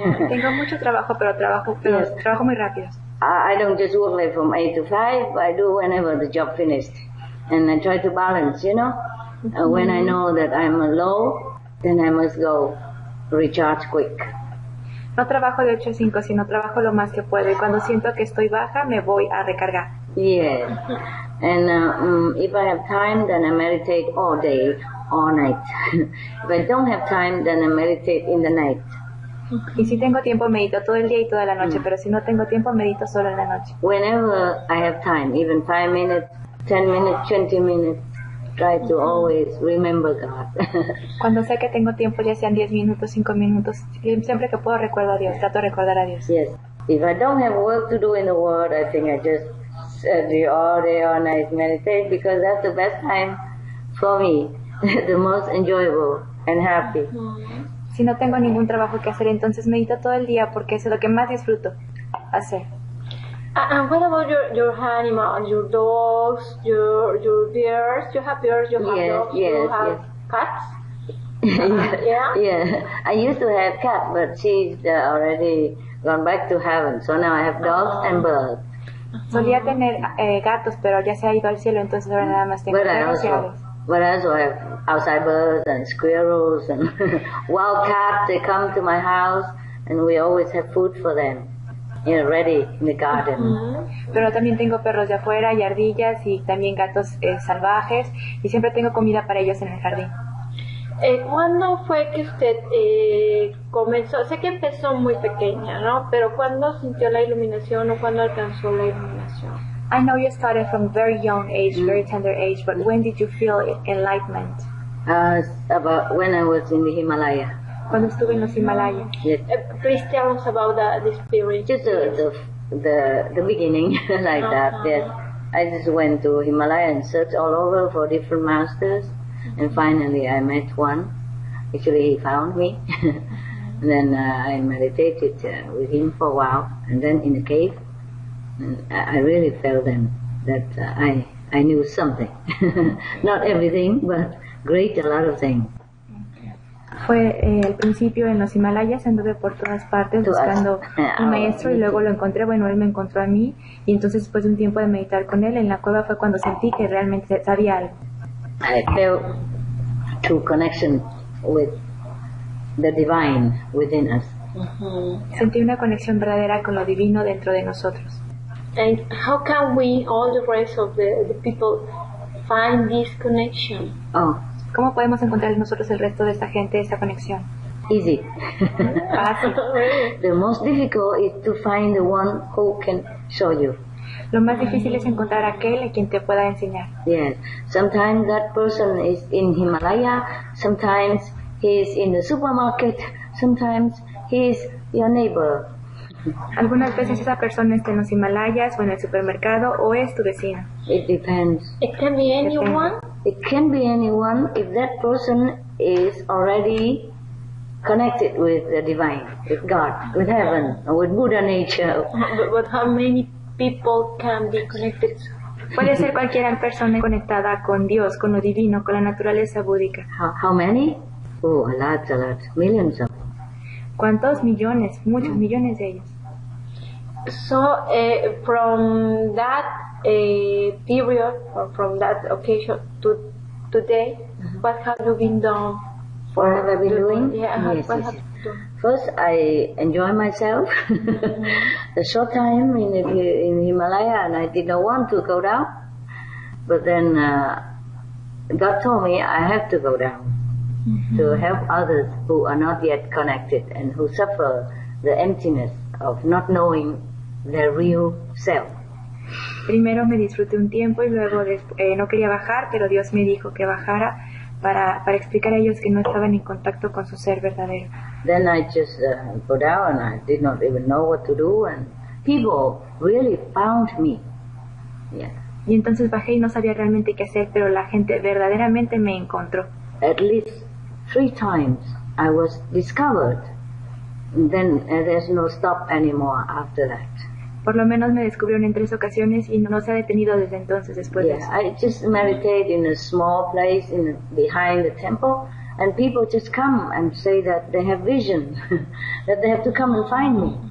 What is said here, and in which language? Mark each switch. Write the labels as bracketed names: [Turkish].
[Spanish] Tengo mucho trabajo, pero trabajo muy rápido. [English] I don't just work like from 8 to 5, but I do whenever the job finished. And I try to balance, you know? Mm-hmm. When I know that I'm low, then I must go recharge quick. [Spanish] No trabajo de 8 a 5, sino trabajo lo más que puedo. Y cuando siento que estoy baja, me voy a recargar. [English] Yeah. And if I have time, then I meditate all day, all night. If I don't have time, then I meditate in the night. [Spanish] Y si tengo tiempo, medito todo el día y toda la noche, pero si no tengo tiempo, medito solo en la noche. [English] Whenever I have time, even 5 minutes, 10 minutes, 20 minutes, try to always remember God. [Spanish] Cuando sé que tengo tiempo, ya sean 10 minutos, 5 minutos, siempre que puedo recuerdo a Dios, trato de recordar a Dios. [English] Yes. If I don't have work to do in the world, I think I just study all day, all night, meditate, because that's the best time for me, the most enjoyable and happy. [Spanish] Si no tengo ningún trabajo que hacer, entonces medito todo el día porque es lo que más disfruto hacer. [English] And what about your animals, your dogs, your bears? You have bears, you have cats? Yeah, I used to have cat, but she's already gone back to heaven. So now I have dogs and birds. [Spanish] Solía tener gatos, pero ya se ha ido al cielo, entonces ahora nada más tengo perros y aves. [English] But I also have outside birds and squirrels and wild cats. They come to my house and we always have food for them, you know, ready in the garden. [Spanish] Pero también tengo perros de afuera y ardillas y también gatos salvajes y siempre tengo comida para ellos en el jardín. ¿Cuándo fue que usted comenzó? Sé que empezó muy pequeña, ¿no? Pero ¿cuándo sintió la iluminación o cuándo alcanzó la iluminación? [English] I know you started from very young age, very tender age, but when did you feel enlightenment? About when I was in the Himalaya. [Spanish] Cuando estuve en los Himalayas. [English] Yes. Please tell us about the experience. Just the beginning, like that, yes. I just went to Himalaya and searched all over for different masters. And finally I met one. Actually he found me. And then I meditated with him for a while. And then in the cave, I really felt then that I knew something. Not everything, but great a lot of things. [Spanish] Fue el principio en los Himalayas, anduve por todas partes buscando un maestro y luego lo encontré. Bueno, él me encontró a mí y entonces después de un tiempo de meditar con él en la cueva fue cuando sentí que realmente sabía algo. [English] I felt true connection with the divine within us. [Spanish] Sentí una conexión verdadera con lo divino dentro de nosotros. [English] And how can we, all the rest of the people, find this connection? Oh. [Spanish] ¿Cómo podemos encontrar nosotros el resto de esta gente esa conexión? [English] Easy. [Spanish] Fácil. [English] The most difficult is to find the one who can show you. [Spanish] Lo más difícil es encontrar aquel a quien te pueda enseñar. [English] Yes. Sometimes that person is in Himalaya, sometimes he is in the supermarket, sometimes he is your neighbor. [Spanish] Algunas veces esa persona está en los Himalayas o en el supermercado o es tu vecino. [English] It depends. It can be anyone. It can be anyone if that person is already connected with the divine, with God, with heaven, or with Buddha nature. But how many people can be connected? [Spanish] Puede ser cualquier persona conectada con Dios, con lo divino, con la naturaleza búdica. [English] How many? Oh, a lot, millions of. [Spanish] ¿Cuántos millones? Muchos millones de ellos. [English] So, from that period, or from that occasion to today, what have you been doing? What have I been doing? Yeah, yes, what have you done? First, I enjoy myself. A short time in Himalaya, and I did not want to go down. But then God told me I have to go down. To help others who are not yet connected and who suffer the emptiness of not knowing their real self. [Spanish] Primero me disfruté un tiempo y luego no quería bajar, pero Dios me dijo que bajara para explicar a ellos que no estaban en contacto con su ser verdadero. [English] Then I just go down and I did not even know what to do and people really found me. Yeah. [Spanish] Y entonces bajé y no sabía realmente qué hacer, pero la gente verdaderamente me encontró. [English] At least 3 times I was discovered. Then there's no stop anymore after that. [Spanish] Por lo menos me descubrieron en 3 ocasiones y no se ha detenido desde entonces después. [English] Yeah, I just meditate in a small place in behind the temple, and people just come and say that they have vision, that they have to come and find me.